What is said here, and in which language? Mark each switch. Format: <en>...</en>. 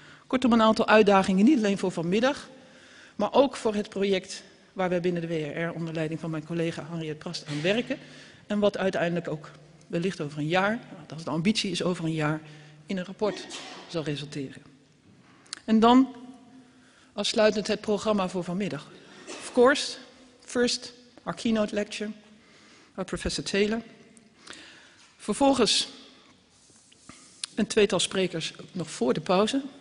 <nl>Kortom, een aantal uitdagingen, niet alleen voor vanmiddag, maar ook voor het project waar wij binnen de WRR onder leiding van mijn collega Henriët Prast aan werken. En wat uiteindelijk ook wellicht over een jaar, als de ambitie is over een jaar, in een rapport zal resulteren. En dan afsluitend het programma voor vanmiddag.</nl> <en>Of course, first our keynote lecture by Professor Taylor.</en> <nl>Vervolgens een tweetal sprekers nog voor de pauze.</nl>